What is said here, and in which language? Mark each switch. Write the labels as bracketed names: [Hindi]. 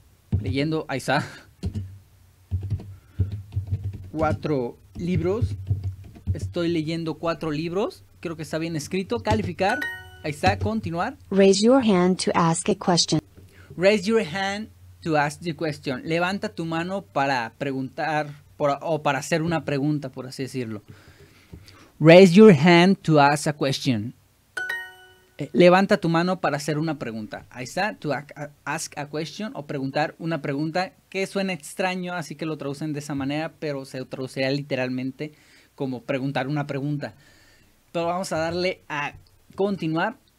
[Spanish] Estoy leyendo, ahí está, 4 libros. Estoy leyendo 4 libros. Creo que está bien escrito. Calificar. Ahí está. Continuar. [English] Raise your hand to ask a question. Raise your hand to ask the question. [Spanish] Levanta tu mano para preguntar o para hacer una pregunta, por así decirlo. [English] Raise your hand to ask a question. [Spanish] Levanta tu mano para hacer una pregunta. Ahí está, [English] to ask a question [Spanish] o preguntar una pregunta, que suena extraño, así que lo traducen de esa manera, pero se traduciría literalmente como preguntar una pregunta. Pero vamos a darle a continuar.